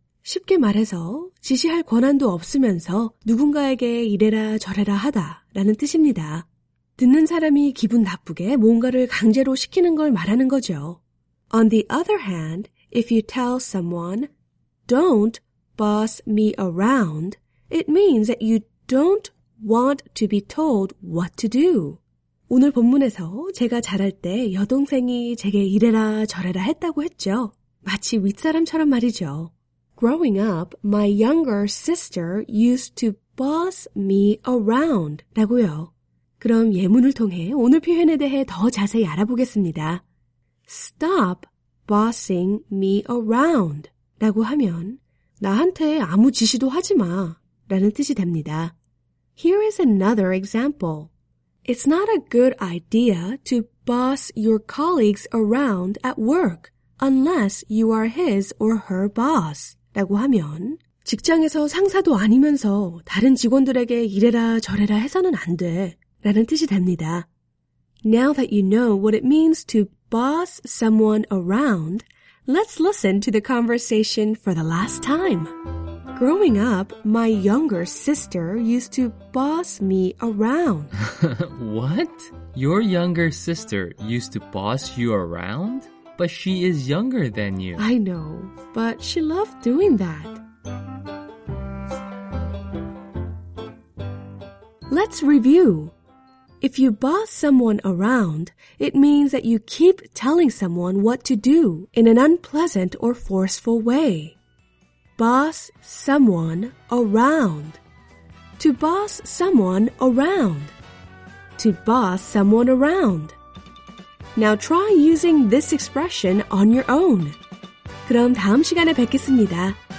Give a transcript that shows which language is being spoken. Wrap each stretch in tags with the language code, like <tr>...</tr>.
<ko>쉽게 말해서 지시할 권한도 없으면서 누군가에게 이래라 저래라 하다 라는 뜻입니다. 듣는 사람이 기분 나쁘게 뭔가를 강제로 시키는 걸 말하는 거죠.</ko> <en>On the other hand, if you tell someone, don't boss me around, it means that you don't want to be told what to do.</en> <ko>오늘 본문에서 제가 자랄 때 여동생이 제게 이래라 저래라 했다고 했죠. 마치 윗사람처럼 말이죠.</ko> <en>Growing up, my younger sister used to boss me around</en> <ko>라고요. 그럼 예문을 통해 오늘 표현에 대해 더 자세히 알아보겠습니다.</ko> <en>Stop bossing me around</en> <ko>라고 하면 나한테 아무 지시도 하지 마 라는 뜻이 됩니다.</ko> <en>Here is another example. It's not a good idea to boss your colleagues around at work unless you are his or her boss.</en> <ko>라고 하면 직장에서 상사도 아니면서 다른 직원들에게 이래라 저래라 해서는 안 돼 라는 뜻이 됩니다.</ko> <en>Now that you know what it means to boss someone around, let's listen to the conversation for the last time. Growing up, my younger sister used to boss me around. What? Your younger sister used to boss you around? But she is younger than you. I know, but she loved doing that. Let's review. If you boss someone around, it means that you keep telling someone what to do in an unpleasant or forceful way. Boss someone around. To boss someone around. To boss someone around. Now try using this expression on your own.</en> <ko>그럼 다음 시간에 뵙겠습니다.</ko>